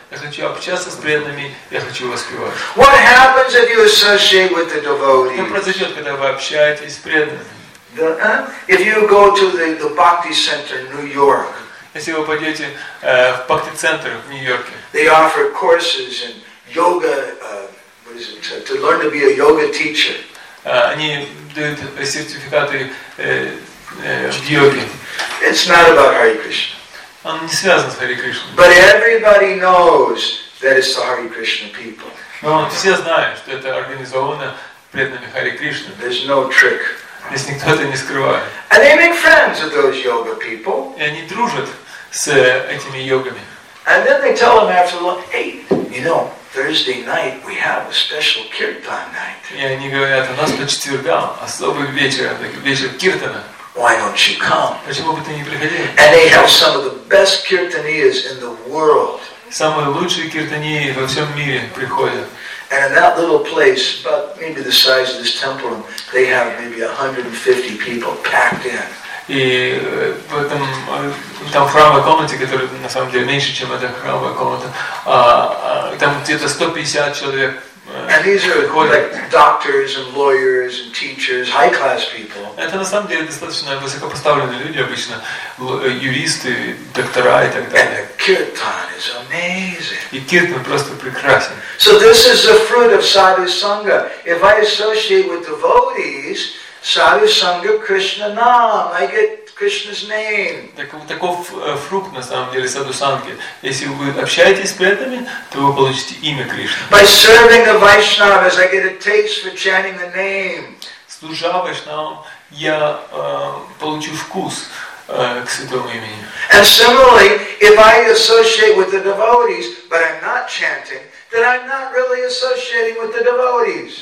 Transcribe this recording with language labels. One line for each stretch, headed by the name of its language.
Russian: Я хочу общаться с преданными, я хочу воспевать.
English: What happens if you associate with the devotees?
Russian: Что произойдет, когда вы общаетесь с преданными?
English: If you go to the Bhakti Center in New York.
Russian: Если вы пойдете в Бхакти Центр в Нью-Йорке.
English: They offer courses in yoga, what is it, to learn to be a yoga teacher.
Russian: Они дают сертификаты в йоге.
English: It's not about Hare Krishna.
Russian: Он не связан с Харе Кришной.
English: But everybody knows that it's the Hare Krishna people.
Russian: Но все знают, что это организовано преданными Харе Кришны.
English: There's no trick.
Russian: Здесь никто это не скрывает.
English: And they make friends with those yoga people.
Russian: И они дружат с этими йогами.
English: And then they tell them after lunch, hey, you know, Thursday night we have a special kirtan night.
Russian: И они говорят, у нас по четвергам особый вечер, вечер киртана.
English: Why don't you come?
Russian: Почему бы ты не приходил?
English: And they have some of the best kirtaniyas in the world.
Russian: Самые лучшие киртаньи во всем мире приходят.
English: And in that little place, about maybe the size of this temple, they have maybe 150 people packed in.
Russian: И в этом там храмовой комнате, которая на самом деле меньше, чем эта храмовая комната, там где-то 150 человек.
English: And these are like doctors and lawyers and teachers, high class people.
Russian: Это на самом деле достаточно высокопоставленные люди обычно, юристы, доктора и так далее.
English: And the kirtan is amazing.
Russian: И киртан просто прекрасен.
English: So this is the fruit of sadhu sangha. If I associate with devotees,
Bangla: sadhu sangha Krishna nam,
English: I get Krishna's name.
Russian: Таков фрукт на самом деле саду санги. Если вы общаетесь с преданными, то вы получите имя Кришны.
English: By serving the Vaishnavas, I get a taste for chanting the name.
Russian: Служа Вайшнавам, я получу вкус к святому имени.
English: And similarly, if I associate with the devotees, but I'm not chanting, then I'm not really associating with the devotees.